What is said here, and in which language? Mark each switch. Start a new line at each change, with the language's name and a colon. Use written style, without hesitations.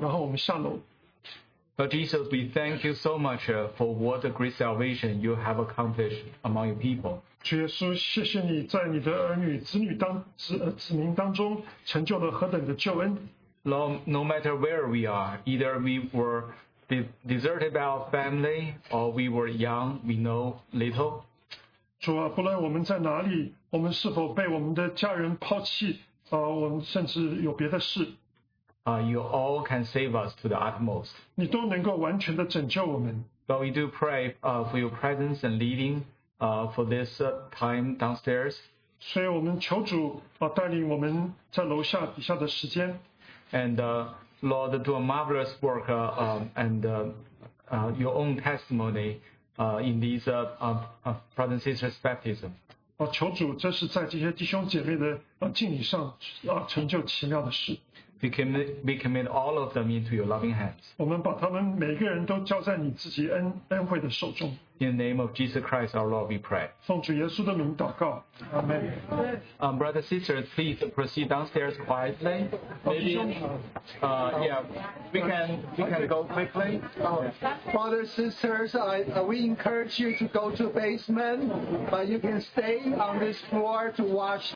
English: Lord Jesus, we thank you so much for what a great salvation you have accomplished among your people.
Chinese: 主耶稣, 谢谢你在你的儿女, 子女当中成就了何等的救恩。
English: Lord, no matter where we are, either we were deserted by our family or we were young, we know little.
Chinese: 主啊, 不论我们在哪里, 我们是否被我们的家人抛弃, 我们甚至有别的事。
English: You all can save us to the utmost.
Chinese: 你都能够完全地拯救我们。
English: But we do pray for your presence and leading for this time downstairs.
Chinese: 所以我们求主, 带领我们在楼下底下的时间。
English: And Lord, do a marvelous work your own testimony in these brothers and sisters' baptism.
Chinese: 求主这是在这些弟兄姐妹的 敬礼上 成就奇妙的事。
English: We commit all of them into your loving hands.
Chinese: 我们把他们每个人都交在你自己恩惠的手中。
English: In the name of Jesus Christ, our Lord, we pray.
Chinese: 奉主耶稣的名祷告。Amen.
English: Brothers and sisters, please proceed downstairs quietly. Maybe, we can go quickly. Brothers and sisters, we encourage you to go to the basement, but you can stay on this floor to watch.